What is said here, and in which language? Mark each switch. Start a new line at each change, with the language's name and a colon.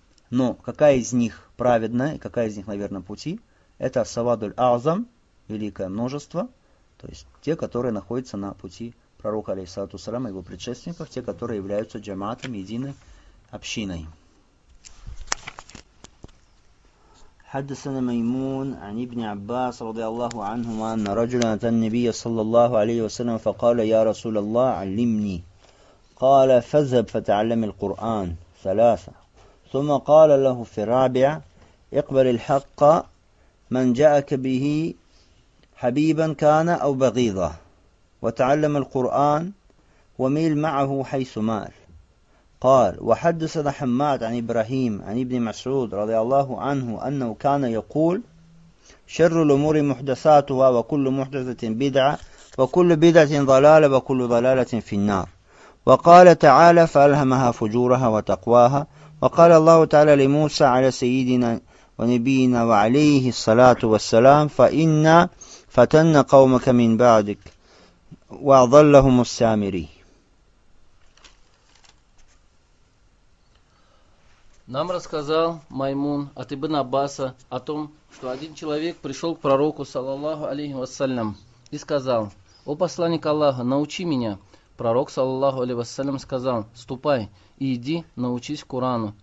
Russian: Но какая из них праведная, и какая из них на верном пути, это Савадуль Азам, великое множество, то есть те, которые находятся на пути пророка, алейхиссалату вассалям, и его предшественников, те, которые являются джаматом, единой общиной.
Arabic: حدثنا ميمون عن ابن عباس رضي الله عنهما أن رجلا أتى النبي صلى الله عليه وسلم فقال يا رسول الله علمني قال فذهب فتعلم القرآن ثلاثة ثم قال له في الرابع اقبل الحق من جاءك به حبيبا كان أو بغيضا وتعلم القرآن وميل معه حيث مال قال وحدثنا حماد عن إبراهيم عن ابن مسعود رضي الله عنه أنه كان يقول شر الأمور محدثاتها وكل محدثة بدعة وكل بدعة ضلالة وكل ضلالة في النار وقال تعالى فألهمها فجورها وتقواها وقال الله تعالى لموسى على سيدنا ونبينا وعليه الصلاة والسلام فإنا فتن قومك من بعدك وأضلهم السامري.
Russian: Нам рассказал Маймун от Ибн Аббаса о том, что один человек пришел к пророку, саллаллаху алейхи вассалям, и сказал, «О посланник Аллаха, научи меня!» Пророк, саллаллаху алейхи вассалям, сказал, «Ступай и иди, научись Корану!»